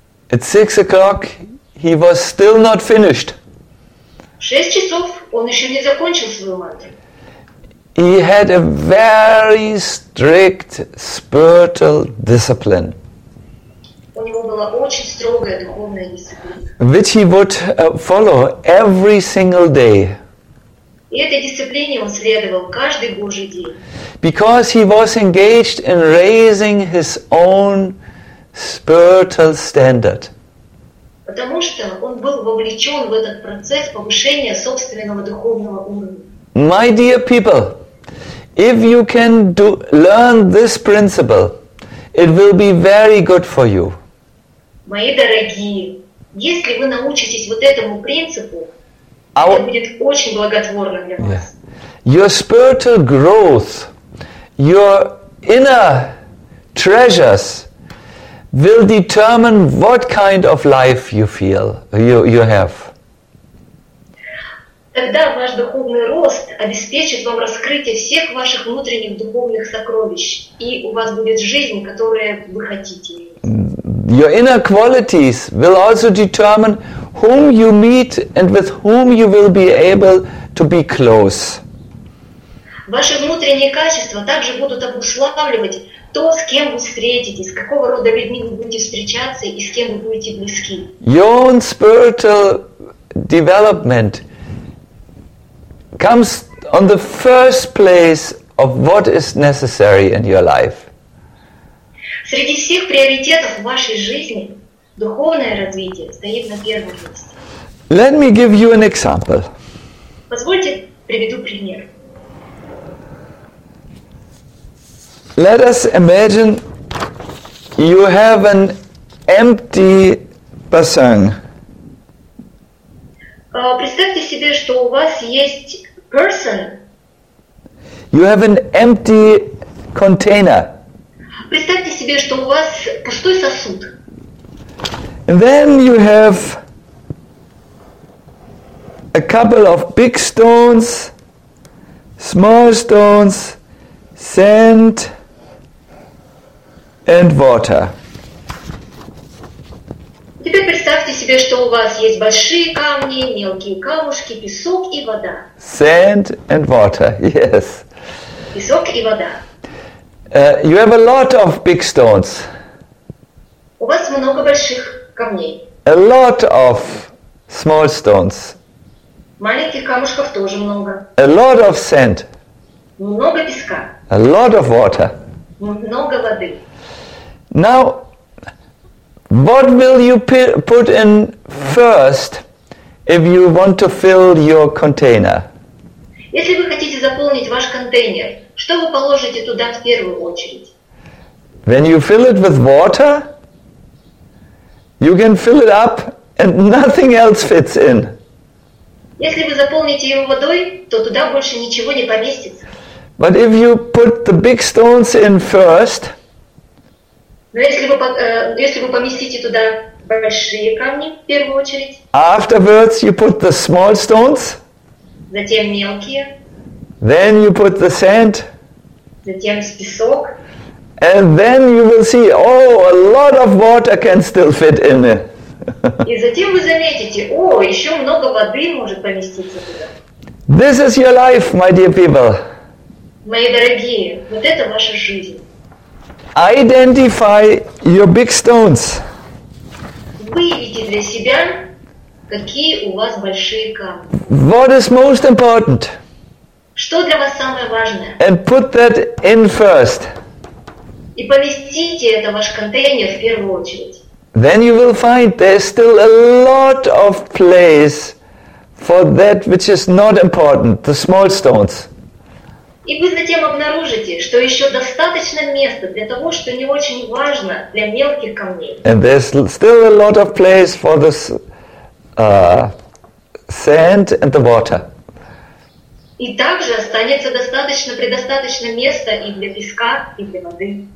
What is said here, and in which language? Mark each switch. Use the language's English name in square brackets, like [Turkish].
[English] At 6 o'clock, he was still not finished. [Russian] 6 часов он еще не закончил свою мантру. [English] He had a very strict spiritual discipline. [Russian] У него была очень строгая духовная дисциплина. [English] Which he would follow every single day. [Russian] И этой дисциплине он следовал каждый божий день. [English] Because he was engaged in raising his own spiritual standard. [Russian] Потому что он был вовлечен в этот процесс повышения собственного духовного уровня. [English] My dear people, if you can learn this principle, it will be very good for you. [Russian] Мои дорогие, если вы научитесь вот этому принципу, это будет очень благотворно для вас. [English] Yeah. Your spiritual growth, your inner treasures will determine what kind of life you feel, you have. [Russian] Тогда ваш духовный рост обеспечит вам раскрытие всех ваших внутренних духовных сокровищ, и у вас будет жизнь, которую вы хотите. [English] Your inner qualities will also determine whom you meet and with whom you will be able to be close. [Russian] Ваши внутренние качества также будут обуславливать то, с кем вы встретитесь, какого рода людьми вы будете встречаться и с кем вы будете близки. [English] Your own spiritual development comes on the first place of what is necessary in your life. [Russian] Среди всех приоритетов вашей жизни духовное развитие стоит на первом месте. [English] Let me give you an example. [Russian] Позвольте приведу пример. [English] Let us imagine you have an empty basang. [Russian] Представьте себе, что у вас есть person. [English] You have an empty container. [Russian] Представьте себе, что у вас пустой сосуд. [English] And then you have a couple of big stones, small stones, sand, and water. [Russian] Теперь представьте себе, что у вас есть большие камни, мелкие камушки, песок и вода. [English] Sand and water, yes. [Russian] Песок и вода. [English] You have a lot of big stones. [Russian] У вас много больших камней. [English] A lot of small stones. [Russian] Маленьких камушков тоже много. [English] A lot of sand. [Russian] Много песка. [English] A lot of water. [Russian] Много воды. [English] Now, what will you put in first if you want to fill your container? [Russian] Если вы хотите заполнить ваш контейнер, что вы положите туда в первую очередь? [English] When you fill it with water, you can fill it up and nothing else fits in. [Russian] Если вы заполните его водой, то туда больше ничего не поместится. [English] But if you put the big stones in first, [Russian] но если вы поместите туда большие камни в первую очередь, [English] afterwards you put the small stones, [Russian] затем мелкие, [English] then you put the sand, [Russian] затем песок, [English] and then you will see, oh, a lot of water can still fit in it. [Russian] И затем вы заметите, о, еще много воды может поместиться туда. [English] This is your life, my dear people. [Russian] Мои дорогие, вот это ваша жизнь. [English] Identify your big stones. [Russian] Выведите для себя, какие у вас большие камни. [English] What is most important? [Russian] Что для вас самое важное? [English] And put that in first. [Russian] И поместите это в ваш контейнер в первую очередь. [English] Then you will find there's still a lot of place for that which is not important, the small stones. [Russian] И вы затем обнаружите, что еще достаточно места для того, что не очень важно, для мелких камней. [English] And there's still a lot of place for the sand and the water. [Russian] И также останется достаточно, предостаточно места и для песка, и для воды.